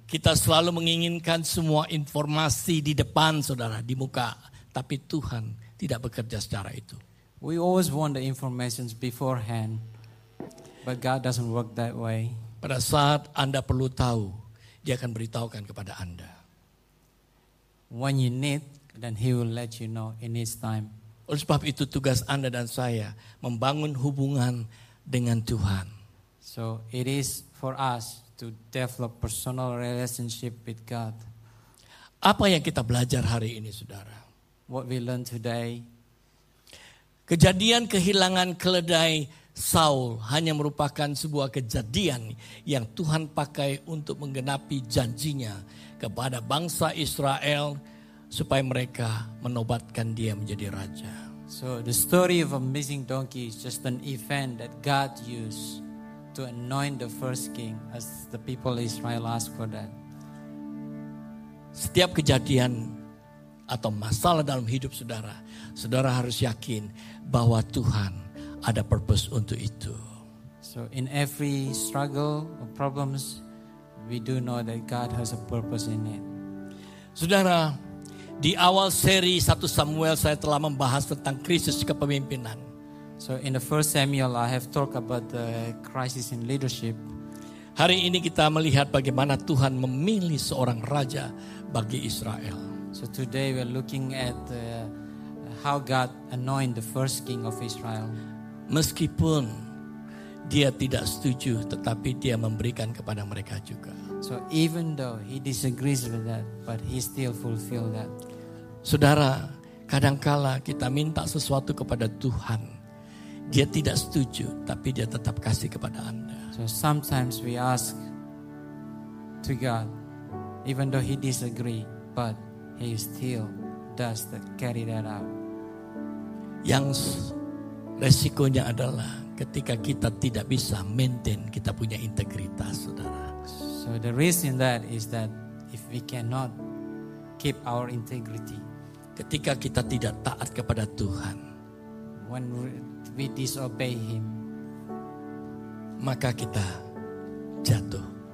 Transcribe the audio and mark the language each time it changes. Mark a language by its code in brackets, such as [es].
[id] Kita selalu menginginkan semua informasi di depan, saudara, di muka, tapi Tuhan tidak bekerja secara itu. [en] We always want the information beforehand, but God doesn't work that way. [id] Pada saat Anda perlu tahu, Dia akan beritahukan kepada Anda. [en] When you need, then He will let you know in His time. [id] Oleh sebab itu tugas Anda dan saya membangun hubungan dengan Tuhan. [en] So it is for us to develop personal relationship with God. [id] Apa yang kita belajar hari ini, saudara? [en] What we learn today? [id] Kejadian kehilangan keledai Saul hanya merupakan sebuah kejadian yang Tuhan pakai untuk menggenapi janjinya kepada bangsa Israel supaya mereka menobatkan dia menjadi raja. [en] So the story of a missing donkey is just an event that God used to anoint the first king, as the people of Israel asked for that. [id] Setiap kejadian atau masalah dalam hidup saudara, saudara harus yakin bahwa Tuhan ada purpose untuk itu. [en] So in every struggle or problems, we do know that God has a purpose in it. [id] Saudara, di awal seri 1 Samuel saya telah membahas tentang krisis kepemimpinan. [en] So in the 1 Samuel I have talked about the crisis in leadership. [id] Hari ini kita melihat bagaimana Tuhan memilih seorang raja bagi Israel. [en] So today we are looking at how God anointed the first king of Israel. [id] Meskipun dia tidak setuju, tetapi dia memberikan kepada mereka juga. [en] So even though he disagrees with that, but he still fulfill that. [id] Saudara, kadangkala kita minta sesuatu kepada Tuhan, Dia tidak setuju, tapi Dia tetap kasih kepada Anda. [en] So sometimes we ask to God, even though he disagree, but he still does that, carry that out. [id] Yang resikonya adalah ketika kita tidak bisa maintain kita punya integritas, saudara. [en] So the reason that is that if we cannot keep our integrity, [id] ketika kita tidak taat kepada Tuhan, [en] when we disobey him, [id] maka kita jatuh